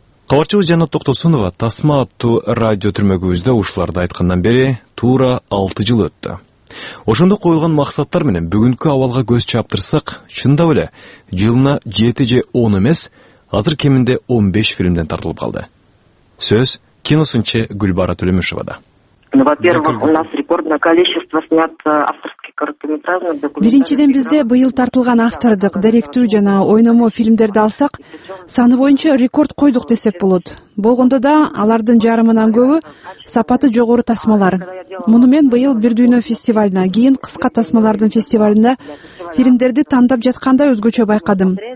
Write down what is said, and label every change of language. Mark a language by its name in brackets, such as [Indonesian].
[Kyrgyz] Кабарчыбыз Жанна Токтосунова Тасма аттуу радио түрмөгүбүздө ушуларды айткандан бери туура 6 жыл өттү. Ошондо коюлган максаттар менен бүгүнкү абалга көз чаптырсак, чындап эле жылына 7 же 10 эмес, азыр кеминде 15 фильмден тартылып калды. Сөз киносунчу Гүлбара Төлөмүшовада. [Russian] Ну, во-первых, у нас рекордное количество снят авторских короткометражных документов. [Kyrgyz] Биринчиден бизде быйыл тартылган автордук, даректүү жана ойномо фильмдерди алсак, саны боюнча рекорд койдук десек болот. Болгондо да алардын жарымынан көбү сапаты жогору тасмалар. Муну мен быйыл бир дүйнө фестивалына, кийин кыска тасмалардын фестивалында фильмдерди тандап жатканда өзгөчө байкадым.